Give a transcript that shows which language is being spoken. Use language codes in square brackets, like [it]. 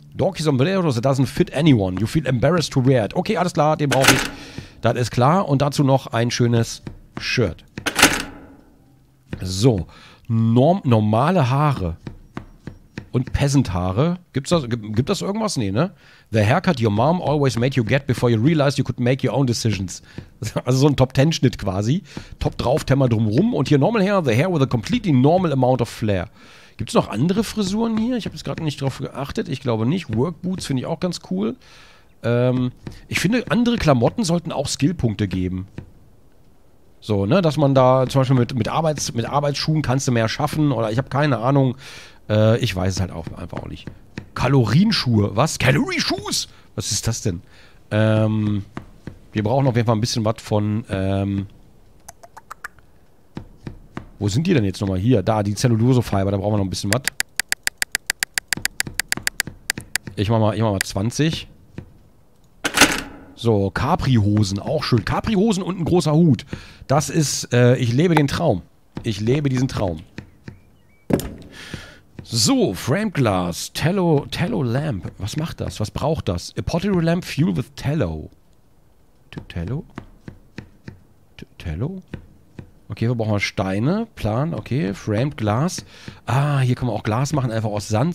[en] Donkey Sombrero, that doesn't fit anyone. You feel embarrassed to wear it. [de] Okay, alles klar, den brauche ich. Das ist klar. Und dazu noch ein schönes Shirt. So. Normale Haare. Und Peasant-Haare. Gibt das irgendwas? Nee, ne? [en] The haircut your mom always made you get before you realized you could make your own decisions. [de] Also so ein Top-10-Schnitt quasi. Top drauf, Thema drumrum. Und hier [en] normal hair, the hair with a completely normal amount of flair. [de] Gibt's noch andere Frisuren hier? Ich habe jetzt gerade nicht drauf geachtet. Ich glaube nicht. Workboots finde ich auch ganz cool. Ich finde, andere Klamotten sollten auch Skillpunkte geben. So, ne? Dass man da zum Beispiel mit Arbeitsschuhen kannst du mehr schaffen. Oder ich habe keine Ahnung. Ich weiß es halt auch einfach auch nicht. Kalorienschuhe. Was? Calorie Shoes? Was ist das denn? Wir brauchen auf jeden Fall ein bisschen was von, wo sind die denn jetzt nochmal? Hier, da, die Zellulose-Fiber. Da brauchen wir noch ein bisschen was. Ich mach mal 20. So, Capri-Hosen. Auch schön. Capri-Hosen und ein großer Hut. Das ist, ich lebe den Traum. Ich lebe diesen Traum. So, Frame Glass, Tallow Lamp. Was macht das? Was braucht das? [en] A Pottery Lamp fueled with Tallow. [de] Tallow? Okay, wir brauchen Steine. Plan, okay. Framed Glass. Ah, hier können wir auch Glas machen, einfach aus Sand.